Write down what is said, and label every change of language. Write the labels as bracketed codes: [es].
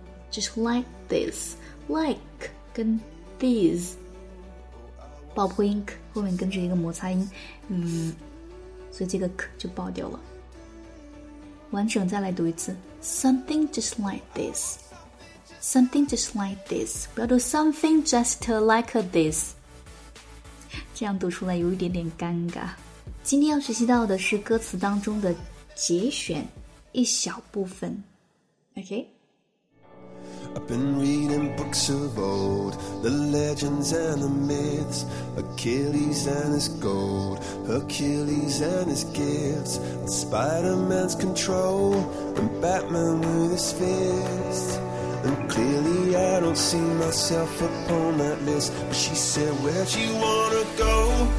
[en] just like this [zh] like 跟 these 爆破音 k 后面跟着一个摩擦音所以这个 k 就爆掉了。完整再来读一次 [en] Something just like this [zh] Something just like this 不要读 Something just like this， 这样读出来有一点点尴尬。今天要学习到的是歌词当中的节选一小部分。 [en] OK I've been reading books of old The legends and the myths Achilles and his gold Achilles and his gifts and Spider-Man's control And Batman with his fist And clearly I don't see myself upon that list But she said where'd you wanna go